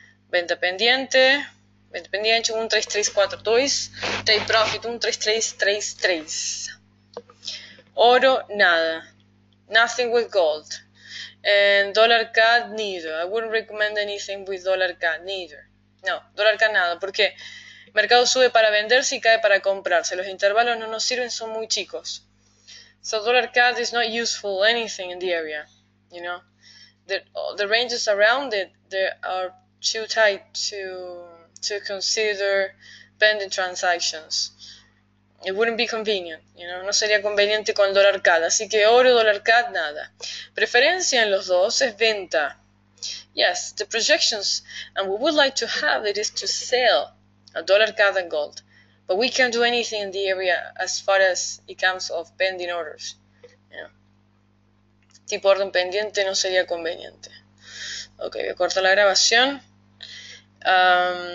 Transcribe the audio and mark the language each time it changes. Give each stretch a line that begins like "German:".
Spanish: Venta pendiente. Independiente, 1.3342.
English: Take profit, 1.3333.
Spanish: Oro, nada.
English: Nothing with gold. And dollar CAD, neither. I wouldn't recommend anything with dollar CAD, neither.
Spanish: No, dollar CAD, nada. Porque mercado sube para venderse y cae para comprarse. Los intervalos no nos sirven, son muy chicos.
English: So dollar CAD is not useful, anything in the area. You know? The ranges around it, they are too tight to consider pending transactions. It wouldn't be convenient, you know,
Spanish: no sería conveniente con el dólar CAD, así que oro, dólar CAD, nada. Preferencia en los dos es venta.
English: Yes, the projections, and we would like to have it is to sell a dollar CAD and gold, but we can't do anything in the area as far as it comes of pending orders. You know.
Spanish: Tipo orden pendiente no sería conveniente. Ok, voy a cortar la grabación.